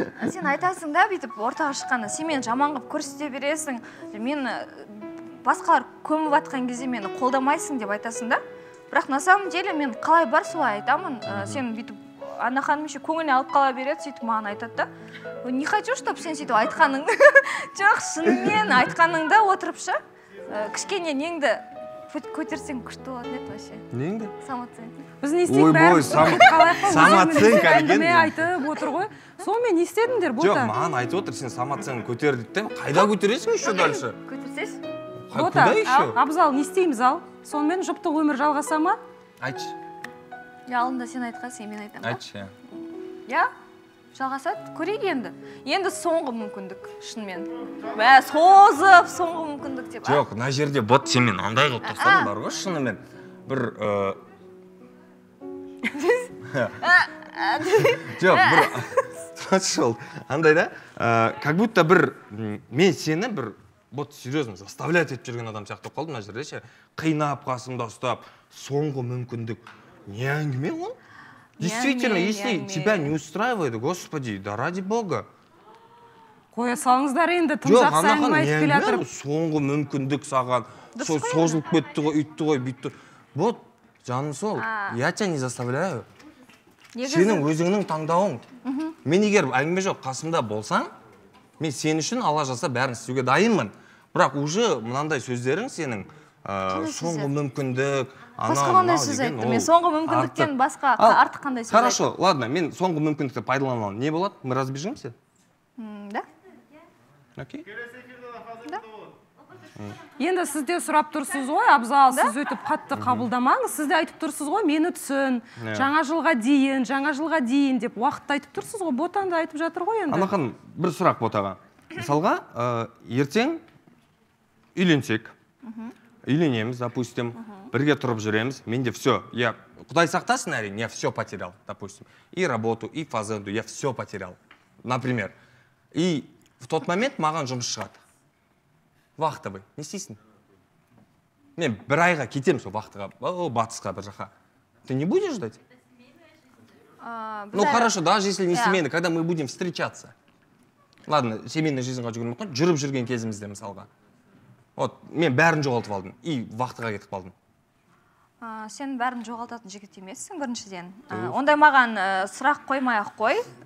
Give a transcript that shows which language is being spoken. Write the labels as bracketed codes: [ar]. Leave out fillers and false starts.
[kk] Сен айтасың да бүйтіп ортаға шыққанда, сен мені жаман қып көрсете бересің, мен басқалар көміп жатқан кезде мені қолдамайсың деп айтасың да. Бірақ [ru] на самом деле [kk] мен қалай бар солай айтамын, сен бүйтіп Ана ханым еще көңіліне алып қала береді, сөйтіп маған айтады да. [ru] Не хочу, чтоб [kk] сен сөйтіп айтқаныңды. Жоқ, шынымен айтқаныңды отырыпшы. Кішкене неңді көтерсең күшті болады деп вообще. Неңді? [ru] Самооценка. [kk] Біз не істейік бәрін қалай қалай самооценка деген. Мен айтып отыр ғой. Сол мен не істедіңдер бота? Жоқ, маған айтып отыр, сен самооценканы көтер деп те. Қайда көтересің [ru] еще дальше? [kk] Көтерсесің. Бота, абзал, не істейміз ал? Сонымен жұптық өмір жалғаса ма? Айтшы. Ялында сен айтқасың, мен айтамын. Айтшы. [ru] Я? [kk] Жалғасады, көрейік енді. Енді соңғы мүмкіндік, шынымен. Мә, созып, соңғы мүмкіндік деп. Жоқ, мына жерде бот сен мен андай қылып тоқтадың бар ғой, шынымен. Бір жоқ, бір тұрсыл. Андай да, [ru] как будто [kk] бір мен сені бір бот [ru] серьёзно заставлять [kk] етіп жүрген адам сияқты қалдым мына жерде ше. Қинап қасымда ұстап, соңғы мүмкіндік. Не әңгіме ол? [ru] Действительно, если тебя не устраивает, господи, да ради бога. [kk] Қоя салыңыздар енді, тұмсақ сайын айтып келе жатыр. Соңғы мүмкіндік саған, сол созылып кетті ғой, үйтті ғой, бүйтті. [ru] Вот, [kk] жаным сол, [ru] я тебя не заставляю. [kk] Сенің өзіңнің таңдауың. Мен егер әңгіме жоқ, қасымда болсаң, мен сен үшін ала жаса бәрін істеуге дайынмын. Бірақ уже мынандай сөздерің сенің. Соңғы мүмкіндік, анау, мау деген ол. Басқа қандай сөз айтты, мен соңғы мүмкіндіктен басқа артық қандай сөз айтты. [ru] Хорошо, ладно, [kk] мен соңғы мүмкіндікті пайдаланамын. Не болады? [ru] Мы разбежимся? Да. Окей. Да. [kk] Енді сізде сұрап тұрсыз ғой, абзал, сіз өтіп қатты қабылдамаңыз. Сізде айтып тұрсыз ғой, мені түсін, жаңа жылға дейін, жаңа жылға дейін деп уақытты айтып тұрсыз ғой, ботанды айтып жатыр ғой енді. Ана ханым, бір сұрақ ботаға. Мысалға, ертең үйленсек. [ru] Үйленеміз, допустим, [kk] бірге тұрып жүреміз, [ru] менде все, я [kk] Құдай сақтасын әрине, [ru] я все потерял, допустим, и работу, и фазенду, я все потерял, например. И в тот момент [kk] маған жұмыс шығады. Вахтовый, не істейсің? Мен бір айға кетемін сол вахтыға, батысқа бір жаққа. [ru] Ты не будешь ждать? Ну хорошо, даже если не семейный, когда мы будем встречаться. [kk] Ладно, [ru] семейная жизнь [kk] қажу көрмек қой, жүріп жүрген кезімізде мысалға. Вот, мен бәрін жоғалтып алдым, и вақтыға кетіп қалдым. Сен бәрін жоғалтатын жігіт емессің біріншіден. Ондай маған сұрақ қоймай ақ қой.